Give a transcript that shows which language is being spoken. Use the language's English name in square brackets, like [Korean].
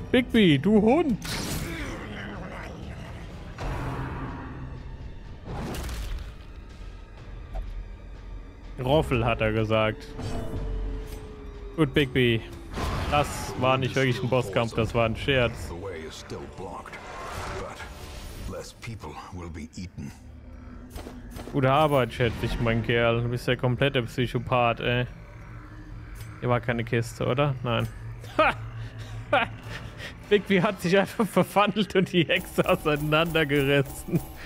[German] Bigby, du Hund. Roffel, hat er gesagt. Gut, Bigby. Das war nicht wirklich ein Bosskampf, das war ein Scherz. [English] The way is still blocked, but less people will be eaten. [German] Gute Arbeit, schätze ich, mein Kerl. Du bist ja komplett der Psychopath, ey. Hier war keine Kiste, oder? Nein. Bigby hat sich einfach verwandelt und die Hexe auseinandergerissen.